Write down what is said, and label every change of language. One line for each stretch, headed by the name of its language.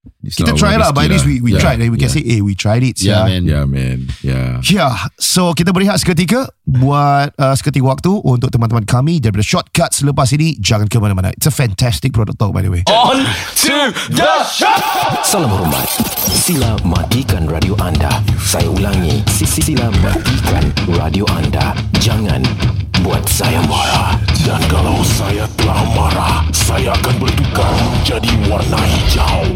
English: It's
Malay: kita
English: not try
Malay: lah,
English: but at least we tried, and we can say, hey, we tried it. Yeah, man.
Malay: So kita berehat seketika buat seketika waktu untuk teman-teman kami daripada Shortcut. Selepas ini jangan ke mana-mana.
English: It's a fantastic product talk, by the way. On to the shot.
Malay: Salam hormat. Sila matikan radio anda. Saya ulangi, sila matikan radio anda. Jangan buat saya marah. Dan kalau saya telah marah, saya akan bertukar menjadi warna hijau.